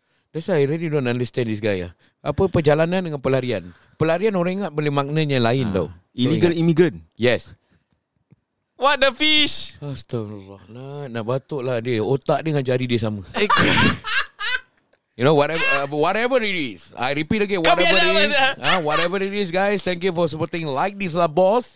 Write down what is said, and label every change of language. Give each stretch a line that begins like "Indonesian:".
English: That's why I really don't understand this guy.
Malay: Apa perjalanan dengan pelarian? Pelarian orang ingat boleh maknanya lain tau.
English: Illegal immigrant. Yes. What the fish?
Malay: Astagfirullah. Nak batuk lah dia. Otak dia dengan jari dia sama.
English: You know, whatever it is, I repeat again, whatever it is, guys, thank you for supporting Like This Lah Boss.